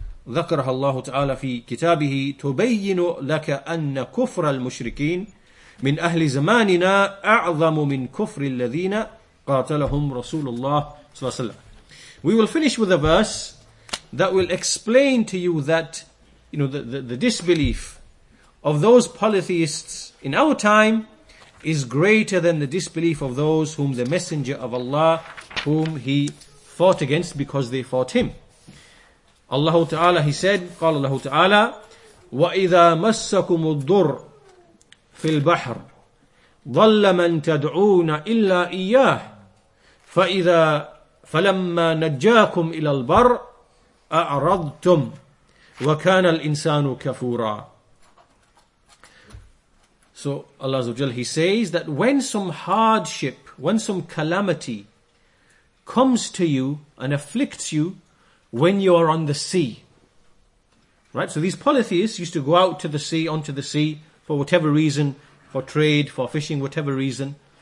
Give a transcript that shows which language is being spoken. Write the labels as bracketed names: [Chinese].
[Arabic] ذَكَرَهَا اللَّهُ تَعَالَى فِي كِتَابِهِ تُبَيِّنُ لَكَ أَنَّ كُفْرَ الْمُشْرِكِينَ مِنْ أَهْلِ زَمَانِنَا أَعْظَمُ مِنْ كُفْرِ الَّذِينَ قَاتَلَهُمْ رَسُولُ اللَّهِ صَلَّى اللَّهُ عَلَيْهِ وَسَلَّمَ. [English] We will finish with a verse that will explain to you that, you know, the disbelief of those polytheists in our time is greater than the disbelief of those whom the Messenger of Allah, whom he fought against because they fought him. Allah Ta'ala, he said, [Arabic] قال الله تعالى وَإِذَا مَسَّكُمُ الضُّرُّ فِي الْبَحْرِ ضَلَّ مَنْ تَدْعُونَ إِلَّا إِيَّاهِ فَإِذَا فَلَمَّا نَجَّاكُمْ إِلَى الْبَرِّ أَعْرَضْتُمْ وَكَانَ الْإِنسَانُ كَفُورًا. [English] So Allah Azza wa Jalla, he says that when some hardship, when some calamity comes to you and afflicts you when you are on the sea, right? So these polytheists used to go out to the sea, onto the sea, for whatever reason, for trade, for fishing, whatever reason.